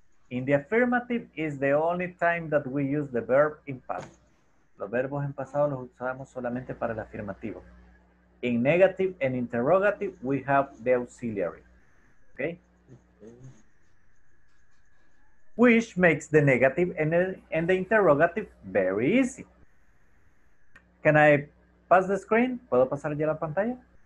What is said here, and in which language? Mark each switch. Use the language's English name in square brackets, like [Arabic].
[English] In the affirmative is the only time that we use the verb in past. [Spanish] Los verbos en pasado los usamos solamente para el afirmativo. [English] In negative and interrogative, we have the auxiliary. Okay? Which makes the negative and the interrogative very easy. Can I pass the screen? [Spanish] ¿Puedo pasar ya la pantalla?